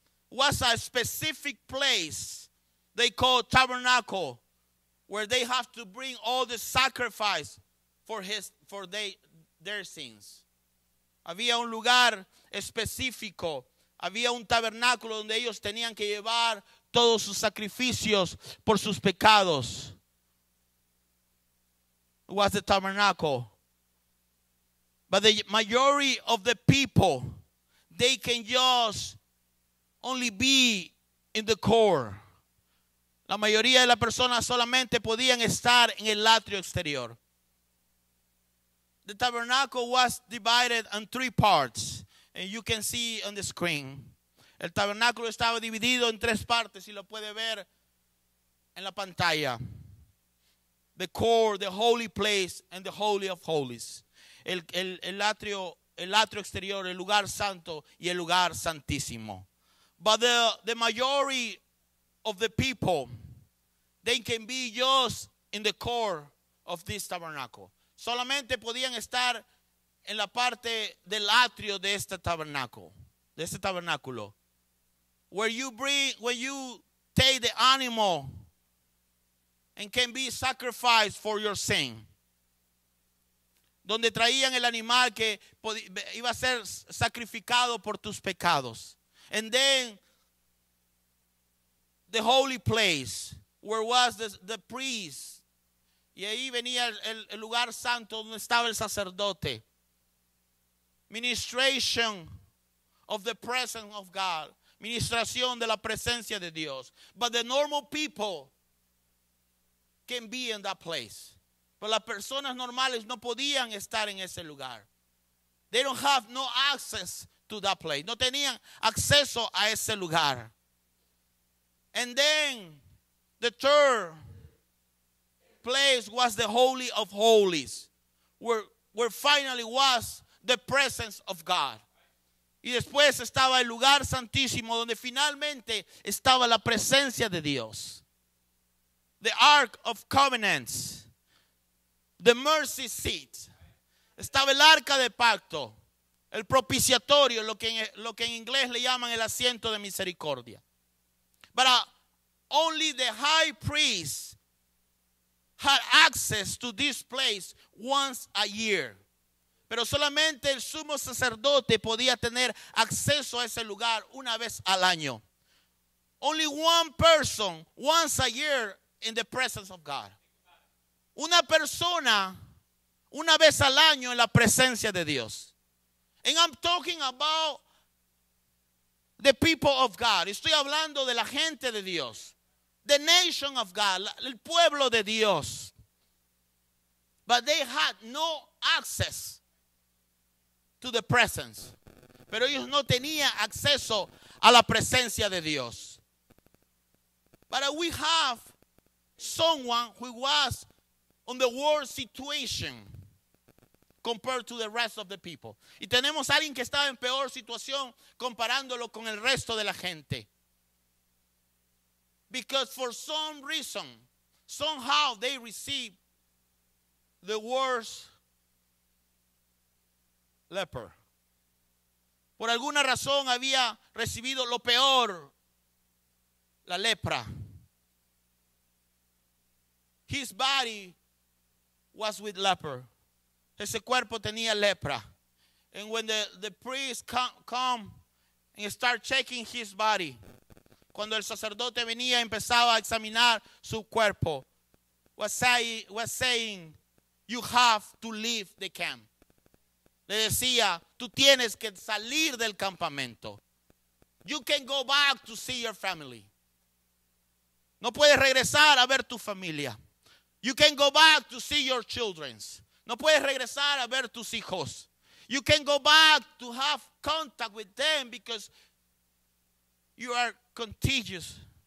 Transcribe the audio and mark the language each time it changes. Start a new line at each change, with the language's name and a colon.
English: Was a specific place they call tabernacle, where they have to bring all the sacrifice for their sins.
Spanish: Había un lugar específico, había un tabernáculo donde ellos tenían que llevar todos sus sacrificios por sus pecados.
English: It was the tabernacle. But the majority of the people, they can just only be in the core.
Spanish: La mayoría de las personas solamente podían estar en el atrio exterior.
English: The tabernacle was divided in three parts. And you can see on the screen.
Spanish: El tabernáculo estaba dividido en tres partes y lo puede ver en la pantalla.
English: The core, the holy place, and the holy of holies.
Spanish: El atrio exterior, el lugar santo y el lugar santísimo.
English: But the majority of the people, they can be just in the core of this tabernacle.
Spanish: Solamente podían estar en la parte del atrio de este tabernacle, de este tabernáculo.
English: Where you take the animal and can be sacrificed for your sin.
Spanish: Donde traían el animal que iba a ser sacrificado por tus pecados.
English: And then the holy place, where was the priest.
Spanish: Y ahí venía el lugar santo donde estaba el sacerdote.
English: Ministration of the presence of God.
Spanish: Ministración de la presencia de Dios.
English: But the normal people can be in that place.
Spanish: But las personas normales no podían estar en ese lugar.
English: They don't have no access to that place.
Spanish: No tenían acceso a ese lugar.
English: And then the third place was the Holy of Holies, where finally was the presence of God.
Spanish: Y después estaba el lugar santísimo, donde finalmente estaba la presencia de Dios.
English: The Ark of Covenants, the Mercy Seat.
Spanish: Estaba el Arca de Pacto, el propiciatorio, lo que en inglés le llaman el asiento de misericordia.
English: But only the high priest had access to this place once a year.
Spanish: Pero solamente el sumo sacerdote podía tener acceso a ese lugar una vez al año.
English: Only one person, once a year, in the presence of God.
Spanish: Una persona, una vez al año, en la presencia de Dios.
English: And I'm talking about the people of God.
Spanish: Estoy hablando de la gente de Dios.
English: The nation of God,
Spanish: el pueblo de Dios.
English: But they had no access to the presence.
Spanish: Pero ellos no tenían acceso a la presencia de Dios.
English: But we have someone who was on the worst situation compared to the rest of the people.
Spanish: Y tenemos a alguien que estaba en peor situación comparándolo con el resto de la gente.
English: Because for some reason, somehow they received the worst leper.
Spanish: Por alguna razón había recibido lo peor, la lepra.
English: His body was with leper.
Spanish: Ese cuerpo tenía lepra.
English: And when the priest come and start checking his body,
Spanish: cuando el sacerdote venía y empezaba a examinar su cuerpo,
English: was saying, you have to leave the camp.
Spanish: Le decía, tú tienes que salir del campamento.
English: You can go back to see your family.
Spanish: No puedes regresar a ver tu familia.
English: You can go back to see your children.
Spanish: No puedes regresar a ver tus hijos.
English: You can go back to have contact with them because you are contagious.